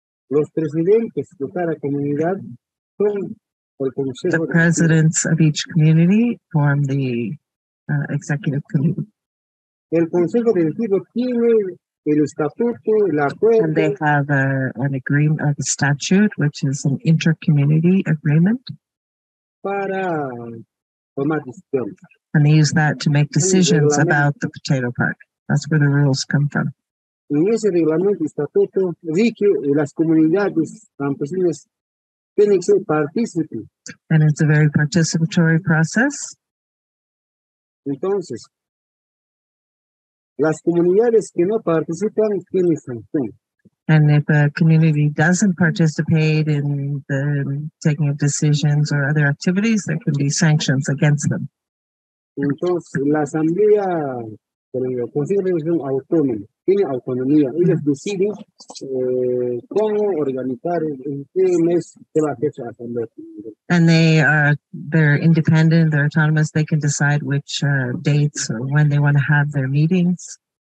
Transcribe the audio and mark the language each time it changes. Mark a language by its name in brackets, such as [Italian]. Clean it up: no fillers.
[Spanish] Los presidentes de cada comunidad son el consejo. [English] The presidents of each community form the executive committee. [Spanish] El consejo directivo tiene [English] And they have an agreement of the statute, which is an inter-community agreement. And they use that to make decisions about the potato park. That's where the rules come from. And it's a very participatory process. [Spanish] Entonces, las comunidades que no participan tienen sanción. [English] And if a community doesn't participate in the taking of decisions or other activities, there can be sanctions against them. [Spanish] Entonces, la asamblea, por ejemplo, consigue decisión autónoma, tiene autonomía. Ellos deciden cómo organizar, en qué mes se va a hacer la asamblea. [English] And they're independent, they're autonomous, they can decide which dates or when they want to have their meetings.